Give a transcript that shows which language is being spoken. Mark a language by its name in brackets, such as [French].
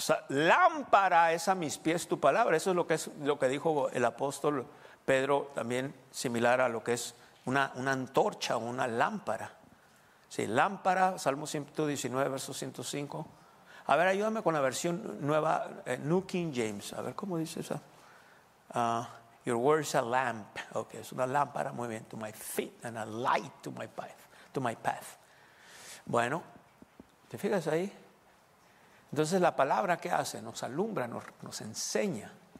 [Spanish] Lámpara es a mis pies tu palabra. Eso es lo que dijo el apóstol Pedro, también similar a lo que es una antorcha, una lámpara. Sí, lámpara, Salmo 119, verso 105. A ver, ayúdame con la versión nueva, New King James. A ver, ¿cómo dice esa? [English] Your word's a lamp. [Spanish] Ok, es una lámpara, muy bien. [English] To my feet and a light to my path. [Spanish] Bueno, ¿te fijas ahí? Entonces, la palabra, ¿qué hace? Nos alumbra, nos enseña.